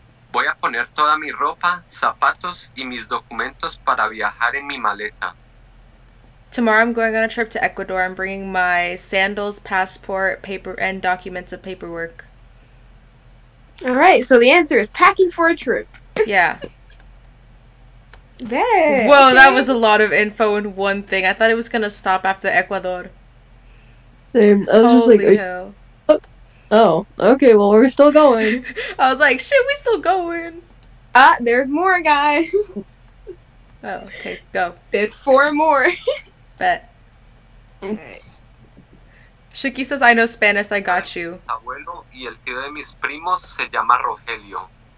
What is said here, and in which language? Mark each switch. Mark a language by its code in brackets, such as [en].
[es] Voy a poner toda mi ropa, zapatos y mis documentos para viajar en mi maleta. [en] Tomorrow I'm going on a trip to Ecuador. I'm bringing my sandals, passport, paper, and documents of paperwork. All right, so the answer is packing for a trip. Yeah. Dang. Whoa, okay. That was a lot of info in one thing. I thought it was going to stop after Ecuador. Same. I was Holy just like, hell. Oh, okay, well, we're still going. I was like, shit, we still going. Ah, there's more, guys. Oh, okay, go. There's four more. Bet. Okay. Shuki says, I know Spanish, I got you. [es] Abuelo y el tío de mis primos se llama Rogelio.